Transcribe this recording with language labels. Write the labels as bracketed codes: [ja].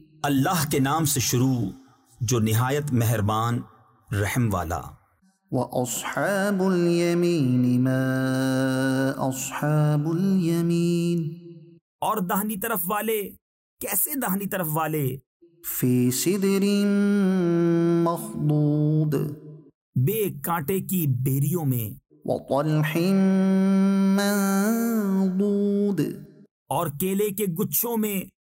[ur] اللہ کے نام سے شروع جو نہایت مہربان رحم والا [ar] وأصحاب اليمين ما أصحاب اليمين [ur] اور دہنی طرف والے کیسے دہنی طرف والے [ar] في صدر مخضود [ur] بے کانٹے کی بیریوں میں [ar] وَطَلْحٍ مَنْضُودِ [ur] اور کیلے کے گچھوں میں